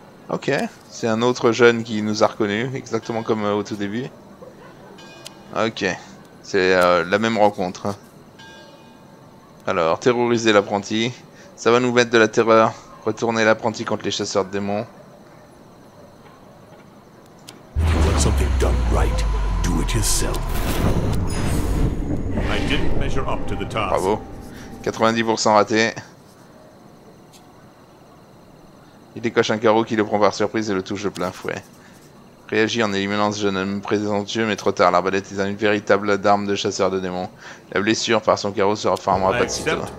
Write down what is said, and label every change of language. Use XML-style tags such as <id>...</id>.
<fr>Ok, c'est un autre jeune qui nous a reconnus, exactement comme au tout début. Ok. C'est la même rencontre. Alors, terroriser l'apprenti. Ça va nous mettre de la terreur. Retourner l'apprenti contre les chasseurs de démons.</fr> <en>You want something done right. Do it yourself. I didn't measure up to the task.</en> <fr>Bravo. 90% raté. Il décoche un carreau qui le prend par surprise et le touche de plein fouet. Réagis en éliminant ce jeune homme présentieux, mais trop tard, l'arbalète est une véritable arme de chasseur de démons. La blessure par son carreau se refermera pas de sitôt.</fr>